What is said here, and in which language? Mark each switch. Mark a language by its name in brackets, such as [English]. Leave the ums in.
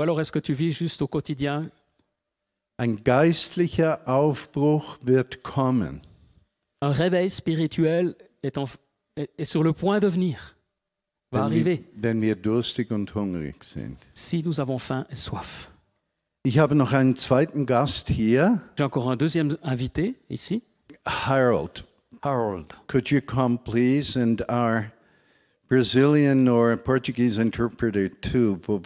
[French] alors est-ce que tu vis juste au quotidien [German] Ein geistlicher Aufbruch wird kommen. [French] Un réveil spirituel est, en, est, est sur le point de venir. Va wenn arriver. [German] Wir, wenn wir durstig und hungrig sind. [French] Si nous avons faim et soif. [German] Ich habe noch einen zweiten Gast hier. [French] J'ai encore un deuxième invité ici. Harold. Harold. [English] Could you come please and our Brazilian or Portuguese interpreter too?